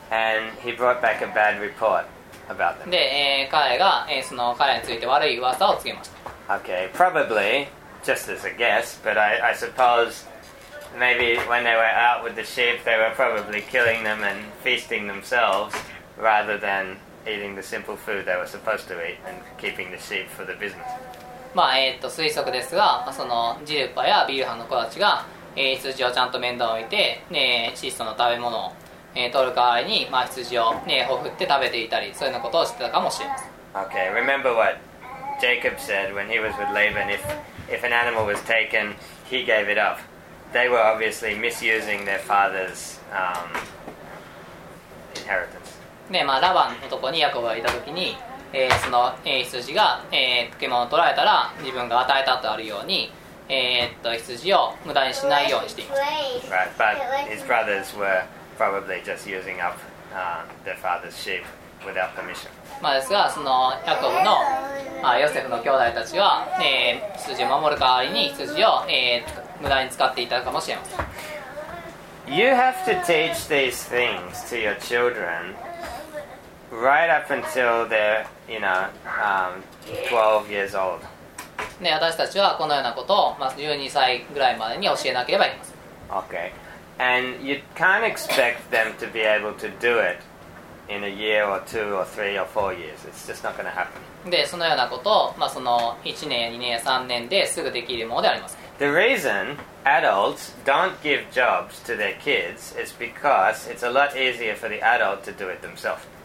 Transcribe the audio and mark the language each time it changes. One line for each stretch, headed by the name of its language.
English: And he brought back a bad report about them.
Japanese: で、彼が、その彼について悪い噂をつけました。
English: Okay, probably, just as a guess, but I supposeMaybe when they were out with the sheep, they were probably killing them and feasting themselves rather than eating the simple food they were supposed to eat and keeping the sheep for the business.
Japanese: まあ、推測ですが、そのジルパやビルハの子たちが、羊をちゃんと面倒を見て、ね、質素の食べ物を、取る代わりに、まあ、羊を、ね、ほふって食べていたり、そういうのことを知ってたかもしれません。
English: Okay, remember what Jacob said when he was with Laban. If an animal was taken, he gave it up. They were obviously misusing their father's inheritance.
Japanese: ね、まあラバンのとこにヤコブがいたときに、その、羊が、獣を取られたら自分が与えたとあるように、羊を無駄にしないようにしていました。
English: Right, but his brothers were probably just using up their father's sheep without permission.
Japanese: まあですが、そのヤコブの、まあ、ヨセフの兄弟たちは、羊を守る代わりに羊を、無駄に使っていたかもしれません。
English: You have to teach these things to your children right up until they're, you know, 12 years old.
Japanese: ね、私たちはこのようなことを、まあ、12歳ぐらいまでに教えなければいけません。
English: Okay. And you can't expect them to be able to do it in a year or two or three or four years. It's just not going to happen.
Japanese: で、そのようなことを、まあ、その1年や2年や3年ですぐできるものであります。
English: The reason adults don't give jobs to their kids is because it's a lot easier for the adult to do it themselves.